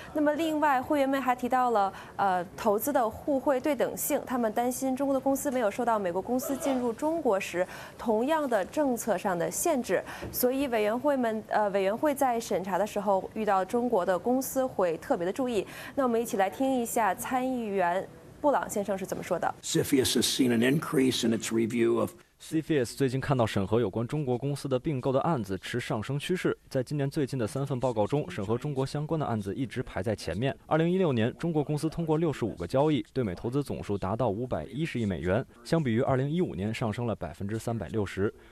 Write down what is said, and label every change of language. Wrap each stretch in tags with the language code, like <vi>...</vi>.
<zh>那么另外，会员们还提到了投资的互惠对等性，他们担心中国的公司没有受到美国公司进入中国时同样的政策上的限制，所以委员会在审查的时候遇到中国的公司会特别的注意。那我们一起来听一下参议员布朗先生是怎么说的。</zh> <en>CFIUS has seen an increase in its review of</en> <zh>CFIUS 最近看到审核有关中国公司的并购的案子持上升趋势，在今年最近的三份报告中，审核中国相关的案子一直排在前面。 2016年，中国公司通过65个交易，对美投资总数达到510亿美元，相比于2015年上升了360%。</zh>